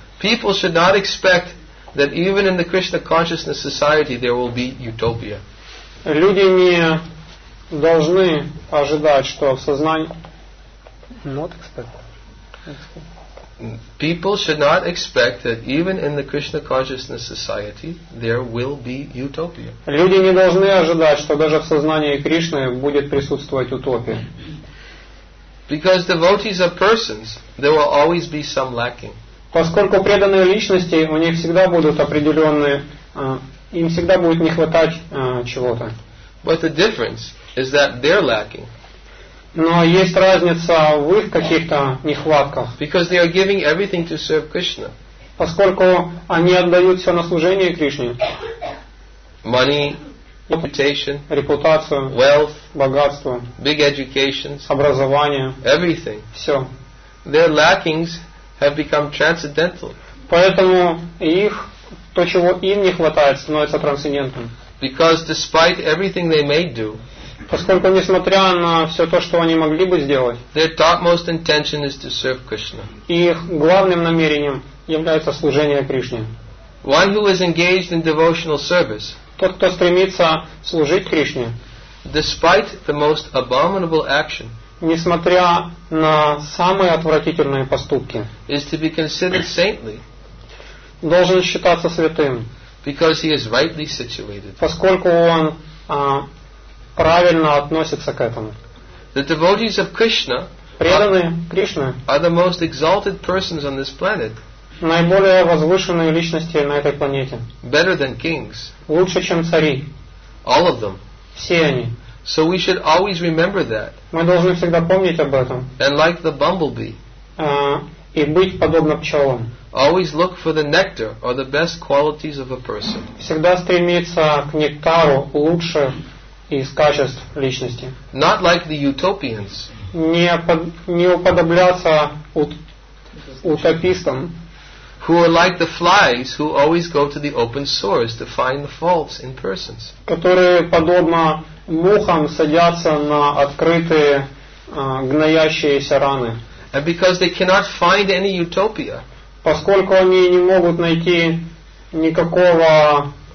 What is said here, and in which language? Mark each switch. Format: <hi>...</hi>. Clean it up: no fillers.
<en>People should not expect that even in the Krishna consciousness society there will be utopia.</en> <ru>Люди не должны ожидать, что в сознании.</ru> <en>Not expect. People should not expect that even in the Krishna consciousness society there will be utopia.</en> <ru>Люди не должны ожидать, что даже в сознании Кришны будет присутствовать утопия.</ru> <en>Because devotees are persons, there will always be some lacking.</en> <ru>Поскольку преданные личности, у них всегда будут определенные, им всегда будет не хватать чего-то.</ru> <en>But the difference is that they're lacking.</en> <ru>Но есть разница в их каких-то нехватках.</ru> <en>Because they are giving everything to serve Krishna.</en> <ru>Поскольку они отдают все на служение Кришне.</ru> <en>Money. Reputation,</en> <ru>репутацию,</ru> <en>wealth,</en> <ru>богатство,</ru> <en>big educations,</en> <ru>образование,</ru> <en>everything.</en> <ru>Все.</ru> <en>Their lackings have become transcendental.</en> <ru>Поэтому их то, чего им не хватает, становится трансцендентным.</ru> <en>Because despite everything they may do,</en> <ru>поскольку несмотря на все то, что они могли бы сделать,</ru> <en>their topmost intention is to serve Krishna.</en> <ru>Их главным намерением является служение Кришне.</ru> <en>One who is engaged in devotional service.</en> <ru>Тот, кто стремится служить Кришне,</ru> <en>despite the most abominable action,</en> <ru>несмотря на самые отвратительные поступки,</ru> <en>is to be considered saintly,</en> <ru>должен считаться святым,</ru> <en>because he is rightly situated.</en> <ru>Поскольку он правильно относится к этому.</ru> <en>The devotees of Krishna,</en> <ru>преданные Кришны,</ru> <en>are the most exalted persons on this planet.</en> <ru>Наиболее возвышенные личности на этой планете.</ru> <en>Better than kings.</en> <ru>Лучше, чем цари.</ru> <en>All of them.</en> <ru>Все они.</ru> <en>So we should always remember that.</en> <ru>Мы должны всегда помнить об этом.</ru> <en>And like the bumblebee.</en> <ru>И быть подобно пчелам.</ru> <en>Always look for the nectar or the best qualities of a person.</en> <ru>Всегда стремиться к нектару лучше из качеств личности.</ru> <en>Not like the utopians.</en> <ru>Не уподобляться утопистам.</ru> <en>Who are like the flies who always go to the open sores to find the faults in persons.</en> <ru>Которые подобно мухам садятся на открытые гноящиеся раны.</ru> <en>And because they cannot find any utopia.</en> <ru>Поскольку они не могут найти никакого...</ru>